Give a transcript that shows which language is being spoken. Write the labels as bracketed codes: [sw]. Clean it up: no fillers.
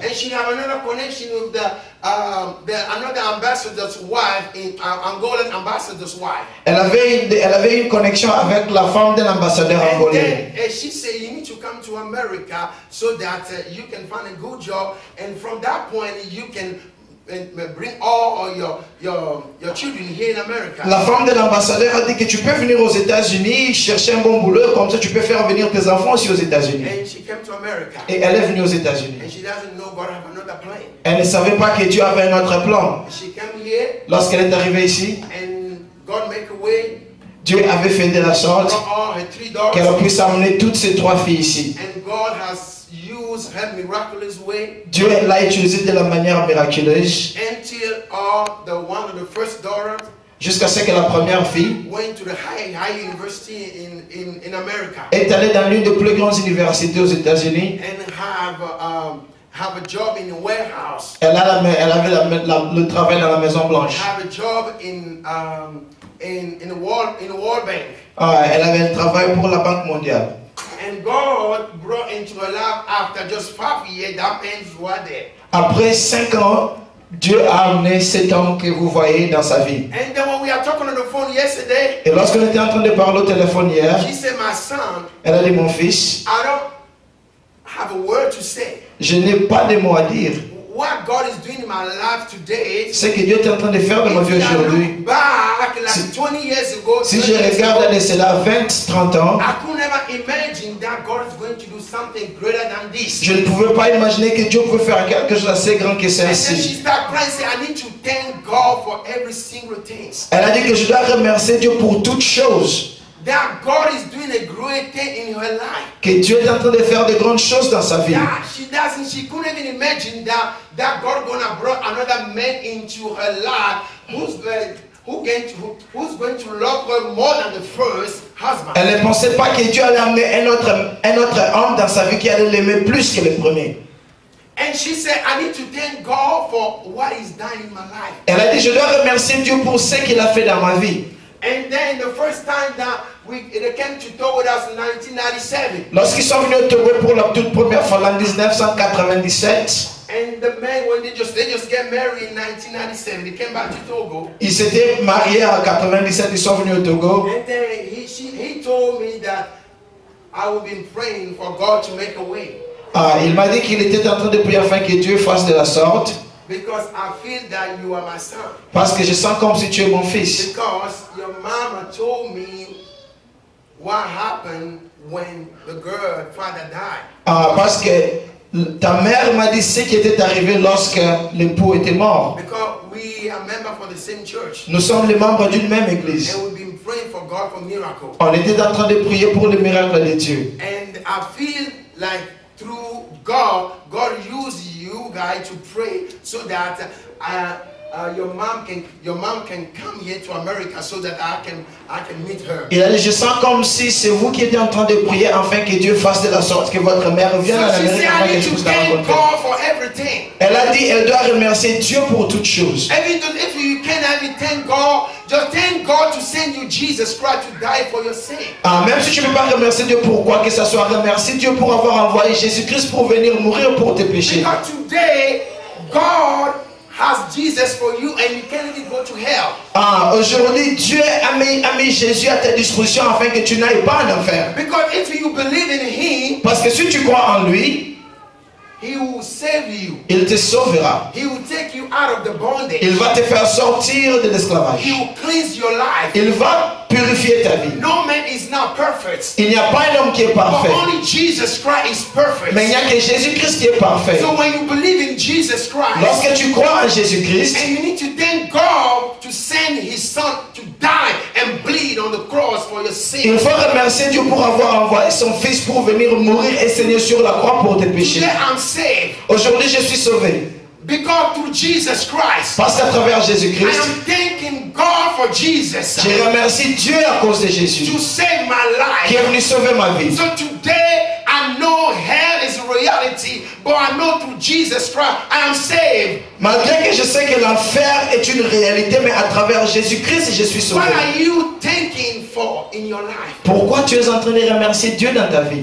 [en] And she have another connection with the another ambassador's wife, in Angolan ambassador's wife. [fr] Elle avait une connexion avec la femme de l'ambassadeur angolais. [en] And she said, "You need to come to America so that you can find a good job, and from that point you can bring all your children here in America." [fr] La femme de l'ambassadeur a dit que tu peux venir aux États-Unis chercher un bon boulot, comme ça tu peux faire venir tes enfants aussi aux États-Unis. [en] And she came to America. [fr] Et elle est venue aux États-Unis. [en] And she doesn't know God have another plan. [fr] Elle ne savait pas que Dieu avait un autre plan. [en] She came here. [fr] Lorsqu'elle est arrivée ici, [en] and God make a way. [fr] Dieu avait fait de la sorte qu'elle puisse amener toutes ses trois filles ici. [en] And God has used her miraculous way. [fr] Dieu l'a utilisé de la manière miraculeuse. [en] Until all the one of the first daughter. [fr] Jusqu'à ce que la première fille. [en] Went to the high university in America. [fr] Est allée dans l'une des plus grandes universités aux États-Unis. [en] And have a job in a warehouse. [fr] Elle avait le travail dans la Maison Blanche. [en] Have a job in the World Bank. [fr] Ah, elle avait un travail pour la Banque mondiale. [en] And God brought into her life after just 5 years that man was there. [fr] Après 5 ans, Dieu a amené cet homme que vous voyez dans sa vie. [en] And then when we are talking on the phone yesterday, [fr] et lorsqu'on était en train de parler au téléphone hier, [en] she said, "My son," [fr] elle a dit, "mon fils," [en] "I don't have a word to say." [fr] Je n'ai pas de mots à dire. [en] What God is doing in my life today, [fr] c'est que Dieu est en train de faire dans ma vie aujourd'hui. [en] Back, like 20 years ago, [fr] si je regarde de cela 20, 30 ans, [en] I could never imagine that God is going to do something greater than this. [fr] Je ne pouvais pas imaginer que Dieu pouvait faire quelque chose assez grand que celle-ci. [en] She started crying, saying, "I need to thank God for every single thing." [fr] Elle a dit que je dois remercier Dieu pour toutes choses. [en] That God is doing a great thing in her life. [fr] Que Dieu est en train de faire de grandes choses dans sa vie. [en] She couldn't even imagine that God gonna bring another man into her life who's going to love her more than the first husband. [fr] Elle ne pensait pas que Dieu allait amener un autre homme dans sa vie qui allait l'aimer plus que le premier. [en] And she said, "I need to thank God for what He's done in my life." [fr] Elle a dit, je dois remercier Dieu pour ce qu'il a fait dans ma vie. [en] And then the first time that they came to talk with us in 1997. [fr] Lorsqu'ils sont venus au Togo pour la toute première fois en 1997. [en] And the men, when they just get married in 1997, they came back to Togo. [fr] Ils s'étaient mariés en 1997, ils sont venus au Togo. [en] And then he told me that I would be praying for God to make a way. [fr] Ah, il m'a dit qu'il était en train de prier afin que Dieu fasse de la sorte. [en] Because I feel that you are my son. [fr] Parce que je sens comme si tu es mon fils. [en] Because your mama told me what happened when the girl father died. [fr] Parce que ta mère m'a dit ce qui était arrivé lorsque l'époux était mort. [en] Because we are members for the same church. [fr] Nous sommes les membres d'une même église. [en] And we've been praying for God for miracle. [fr] On était en train de prier pour le miracle de Dieu. [en] And I feel like through God, God used you guys to pray so that your mom can come here to America so that I can meet her. [fr] Et là, je sens comme si c'est vous qui étiez en train de prier afin que Dieu fasse de la sorte que votre mère vienne à l'Amérique. [en] She said, "I need to thank God for everything." [fr] Elle a dit, elle doit remercier Dieu pour toutes choses. [en] If you can't even thank God, just thank God to send you Jesus Christ to die for your sin. [fr] Ah, même si tu ne peux pas remercier Dieu pour quoi que ce soit, remercie Dieu pour avoir envoyé Jésus-Christ pour venir mourir pour tes péchés. [en] Because today, God has Jesus for you and you can't even go to hell. [fr] Ah, aujourd'hui Dieu a mis Jésus à ta disposition afin que tu n'ailles pas en enfer. [en] Because if you believe in him, [fr] parce que si tu crois en lui, [en] he will save you. [fr] Il te sauvera. [en] He will take you out of the bondage. [fr] Il va te faire sortir de l'esclavage. [en] He will cleanse your life. [fr] Il va purifier ta vie. [en] No man is not perfect. [fr] Il n'y a pas un homme qui est parfait. [en] But only Jesus Christ is perfect. [fr] Mais il n'y a que Jésus Christ qui est parfait. [en] So when you believe in Jesus Christ, [fr] lorsque tu crois en Jésus Christ, [en] and you need to thank God to send His Son to die and bleed on the cross for your sin. [fr] Il faut remercier Dieu pour avoir envoyé son Fils pour venir mourir et saigner sur la croix pour tes péchés. [en] Today I'm saved. [fr] Aujourd'hui, je suis sauvé. [en] Because through Jesus Christ, [fr] parce qu'à travers Jésus-Christ, [en] I am thanking God for Jesus. [fr] Je remercie Dieu à cause de Jésus. [en] To save my life. [fr] Qui est venu sauver ma vie. [en] So today I know hell is a reality, but I know through Jesus Christ I am saved. [fr] Malgré que je sais que l'enfer est une réalité, mais à travers Jésus-Christ, je suis sauvé. [en] What are you thanking for in your life? [fr] Pourquoi tu es en train de remercier Dieu dans ta vie?